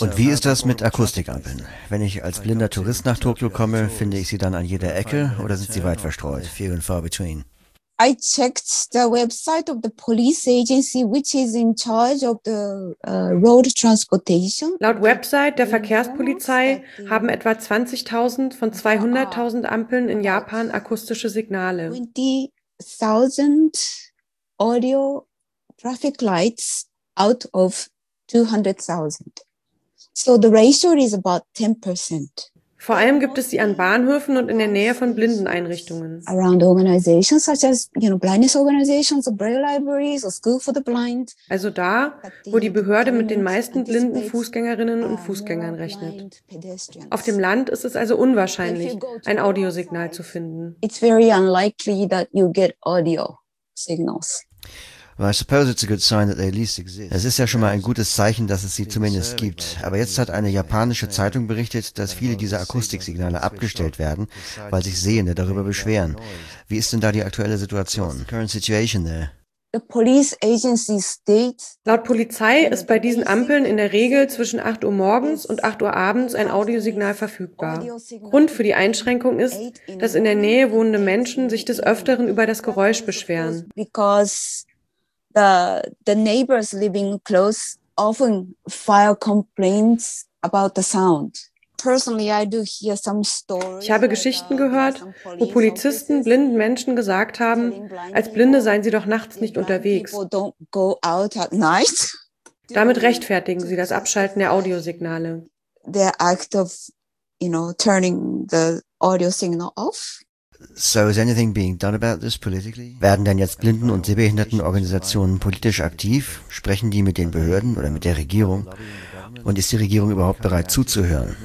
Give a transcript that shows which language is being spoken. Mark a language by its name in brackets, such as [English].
[German] Und wie ist das mit Akustikampeln? Wenn ich als blinder Tourist nach Tokio komme, finde ich sie dann an jeder Ecke oder sind sie weit verstreut? [English] Few and far between. I checked the website of the police agency, which is in charge of the road transportation. [German] Laut Website der Verkehrspolizei haben etwa 20.000 von 200.000 Ampeln in Japan akustische Signale. [English] 20.000 audio traffic lights out of 200,000. So the ratio is about 10%. [German] Vor allem gibt es sie an Bahnhöfen und in der Nähe von Blindeneinrichtungen. [English] Around organizations such as, you know, blindness organizations or braille libraries or school for the blind. [German] Also da, wo die Behörde mit den meisten blinden Fußgängerinnen und Fußgängern rechnet. Auf dem Land ist es also unwahrscheinlich, ein Audiosignal zu finden. [English] It's very unlikely that you get audio signals. Well, I suppose it's a good sign that they at least exist. [German] Es ist ja schon mal ein gutes Zeichen, dass es sie zumindest gibt. Aber jetzt hat eine japanische Zeitung berichtet, dass viele dieser Akustiksignale abgestellt werden, weil sich Sehende darüber beschweren. Wie ist denn da die aktuelle Situation? [English] Current situation there. The police agency states. [German] Laut Polizei ist bei diesen Ampeln in der Regel zwischen 8 Uhr morgens und 8 Uhr abends ein Audiosignal verfügbar. Grund für die Einschränkung ist, dass in der Nähe wohnende Menschen sich des Öfteren über das Geräusch beschweren. [English] Because the neighbors living close often file complaints about the sound. Personally, I do hear some stories. [German] Ich habe Geschichten gehört, wo Polizisten blinden Menschen gesagt haben, als Blinde seien sie doch nachts nicht unterwegs. [English] People don't go out at night. [German] Damit rechtfertigen sie das Abschalten der Audiosignale. [English] The act of, you know, turning the audio signal off. So is anything being done about this politically? [German] Werden denn jetzt Blinden- und Sehbehindertenorganisationen politisch aktiv? Sprechen die mit den Behörden oder mit der Regierung? Und ist die Regierung überhaupt bereit zuzuhören?